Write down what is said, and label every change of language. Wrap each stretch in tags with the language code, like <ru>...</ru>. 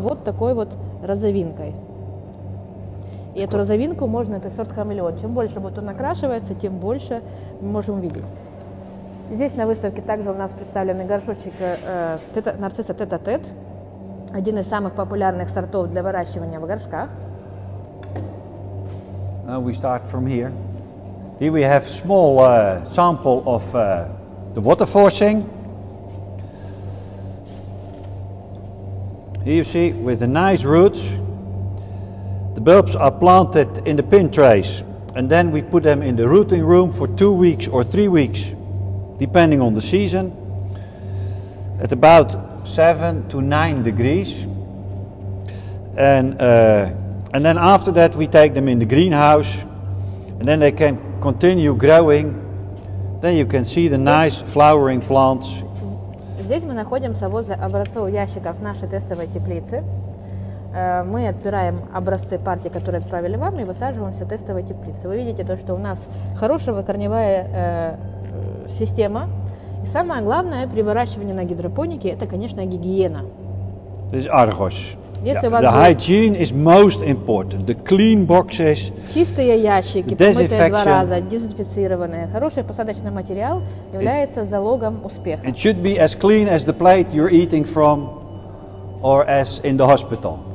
<ru>С вот такой вот розовинкой. И эту розовинку можно, это сорт Хамелеон. Чем больше бутон окрашивается, тем больше мы можем увидеть. Здесь на выставке также у нас представлены горшочек нарцисса тет-а-тет, один из самых популярных сортов для выращивания в горшках.</ru> <en>Now we start from here. Here we have small sample of the water forcing. Here you see with the nice roots. The bulbs are planted in the pin trays and then we put them in the rooting room for 2 weeks or 3 weeks, depending on the season, at about 7 to 9 degrees. And then after that we take them in the greenhouse and then they can continue growing. Then you can see the nice flowering plants.</en> <ru>Здесь мы находимся возле образцового ящика в нашей тестовой теплице. Мы отбираем образцы партии, которые отправили вам, и высаживаемся в тестовой теплице. Вы видите то, что у нас хорошая корневая система. И самое главное при выращивании на гидропонике, это, конечно, гигиена.</ru> <en>This is Argos. The hygiene is most important. The clean boxes,</en> <ru>чистые ящики, помытые два раза, дезинфицированные. Хороший посадочный материал является залогом успеха.</ru> <en>It should be as clean as the plate you're eating from or as in the hospital.</en>